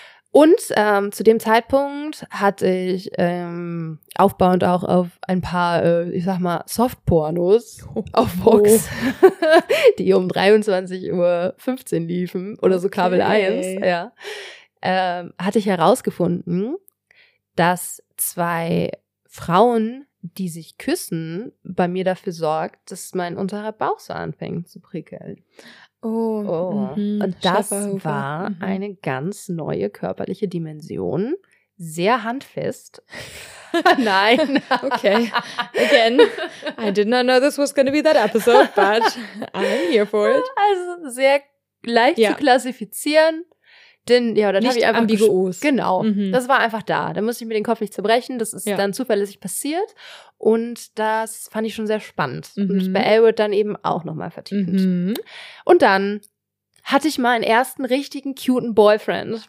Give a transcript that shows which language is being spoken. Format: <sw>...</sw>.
<de>Und zu dem Zeitpunkt hatte ich aufbauend auch auf ein paar, ich sag mal, Softpornos auf Vox, die um 23.15 Uhr liefen oder so Kabel 1, ja, hatte ich herausgefunden, dass zwei Frauen, die sich küssen, bei mir dafür sorgt, dass mein unterer Bauch so anfängt zu prickeln. Oh. Und das war eine ganz neue körperliche Dimension. Sehr handfest. Nein. Okay.</de> <en>Again, I did not know this was going to be that episode, but I'm here for it.</en> <de>Also sehr leicht zu klassifizieren. Denn, ja, dann nicht hab ich einfach</de> <en>ambiguos.</en> <de>Genau, das war einfach da. Da musste ich mir den Kopf nicht zerbrechen. Das ist dann zuverlässig passiert. Und das fand ich schon sehr spannend. Und bei Elwood dann eben auch nochmal vertiefend. Mhm. Und dann hatte ich meinen ersten richtigen, cuten Boyfriend.</de>